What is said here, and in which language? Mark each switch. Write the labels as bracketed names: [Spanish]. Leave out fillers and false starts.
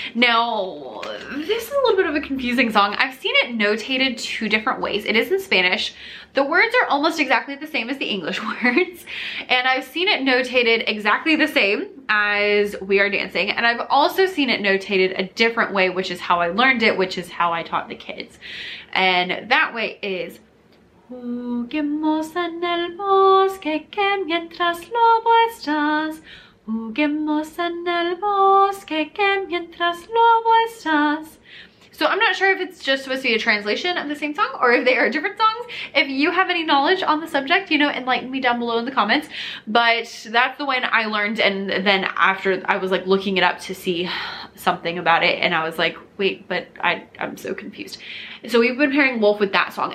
[English] Now, this is a little bit of a confusing song. I've seen it notated two different ways. It is in Spanish. The words are almost exactly the same as the English words. And I've seen it notated exactly the same as We Are Dancing. And I've also seen it notated a different way, which is how I learned it, which is how I taught the kids. And that way is [Spanish] Juguemos en el bosque, que mientras lobo estás. Juguemos en el bosque, que mientras lobo estás. [English] So I'm not sure if it's just supposed to be a translation of the same song or if they are different songs. If you have any knowledge on the subject, you know, enlighten me down below in the comments. But that's the one I learned. And then after I was like looking it up to see something about it. And I was like, wait, but I'm so confused. So we've been pairing Wolf with that song.